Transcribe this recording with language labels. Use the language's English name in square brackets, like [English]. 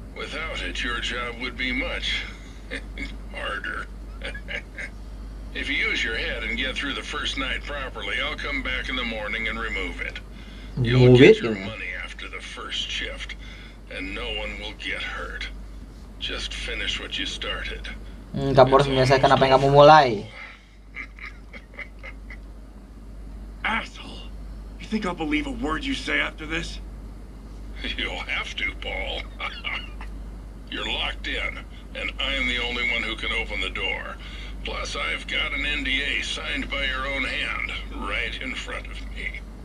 [English] Without it, your job would be much harder. If you use your head and get through the first night properly, I'll come back in the morning and remove it. You'll get your money after the first shift, and no one will get hurt. Just finish what you started. [Indonesian] Kamu harus menyelesaikan apa yang kamu mulai. [English] Asshole! You think I'll believe a word you say after this? You'll have to, Paul. You're locked in, and I'm the only one who can open the door. Plus, I've got an NDA signed by your own hand, right in front of me.